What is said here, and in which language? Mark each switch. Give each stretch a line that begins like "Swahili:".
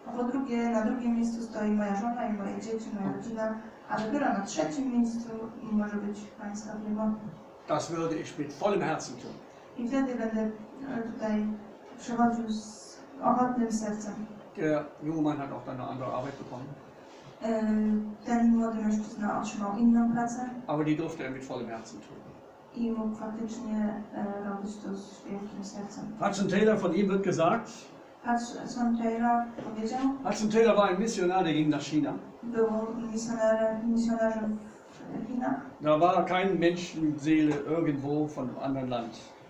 Polish: Drugie, na drugim miejscu stoi moja żona i moje dzieci, moja rodzina, a dopiero na trzecim miejscu może być pańska firma.
German: Das würde ich mit vollem Herzen tun.
Polish: I wtedy będę tutaj przechodził z ochotnym sercem.
German: Der junge Mann hat auch dann eine andere Arbeit bekommen.
Polish: Ten młody mężczyzna otrzymał inną pracę.
German: Aber die durfte er mit vollem Herzen tun.
Polish: I mógł faktycznie robić to z wielkim sercem.
German: Hudson Taylor von ihm wird gesagt.
Polish: Hudson Taylor powiedział.
German: Hudson Taylor war ein Missionar, der ging nach China.
Polish: Był misjonarzem w Chinach.
German: Da war kein Menschenseele irgendwo von einem anderen Land.